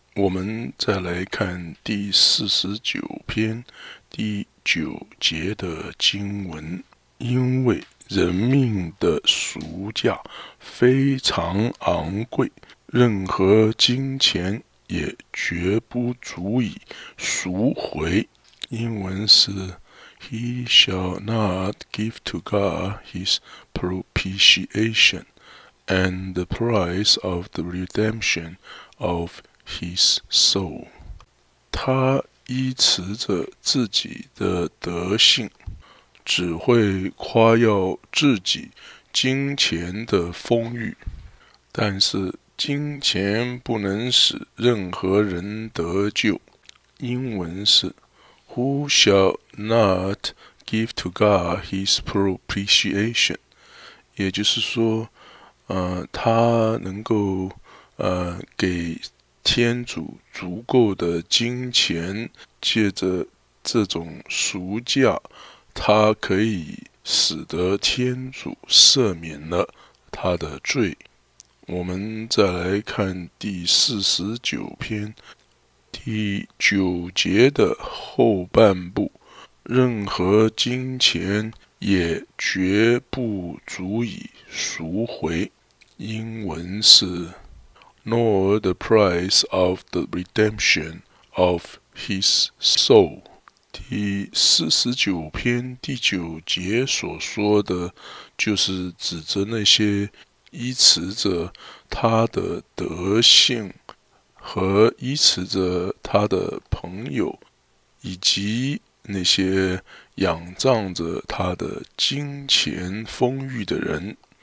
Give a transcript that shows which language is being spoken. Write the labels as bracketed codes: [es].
[zh] 我们再来看第四十九篇第九节的经文，因为人命的赎价非常昂贵，任何金钱也绝不足以赎回。英文是 [en] He shall not give to God his propitiation and the price of the redemption of his soul. [zh] 他依持着自己的德性，只会夸耀自己金钱的丰裕，但是金钱不能使任何人得救。英文是 [en] Who shall not give to God his propitiation? [zh] 也就是说他能够给天主足够的金钱，借着这种赎价，他可以使得天主赦免了他的罪。我们再来看第四十九篇第九节的后半部，任何金钱也绝不足以赎回。英文是 [en] Nor the price of the redemption of his soul。 [zh] 第四十九篇第九节所说的，就是指着那些依持着他的德性和依持着他的朋友，以及那些仰仗着他的金钱丰裕的人。